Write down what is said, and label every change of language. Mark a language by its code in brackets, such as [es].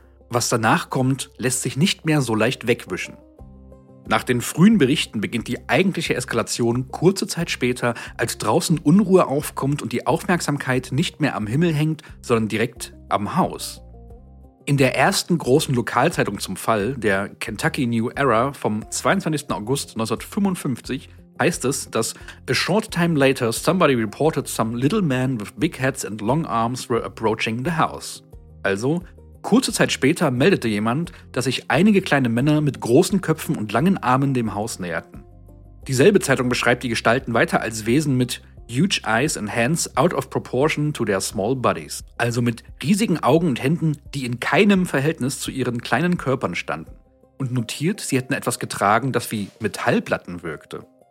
[de] Was danach kommt, lässt sich nicht mehr so leicht wegwischen. Nach den frühen Berichten beginnt die eigentliche Eskalation kurze Zeit später, als draußen Unruhe aufkommt und die Aufmerksamkeit nicht mehr am Himmel hängt, sondern direkt am Haus. In der ersten großen Lokalzeitung zum Fall, der Kentucky New Era vom 22. [en] August 1955, [de] heißt es, dass [en] a short time later somebody reported some little man with big heads and long arms were approaching the house. [de] Also, kurze Zeit später meldete jemand, dass sich einige kleine Männer mit großen Köpfen und langen Armen dem Haus näherten. Dieselbe Zeitung beschreibt die Gestalten weiter als Wesen mit [en] huge eyes and hands out of proportion to their small bodies, [de] also mit riesigen Augen und Händen, die in keinem Verhältnis zu ihren kleinen Körpern standen, und notiert, sie hätten etwas getragen, das wie Metallplatten wirkte.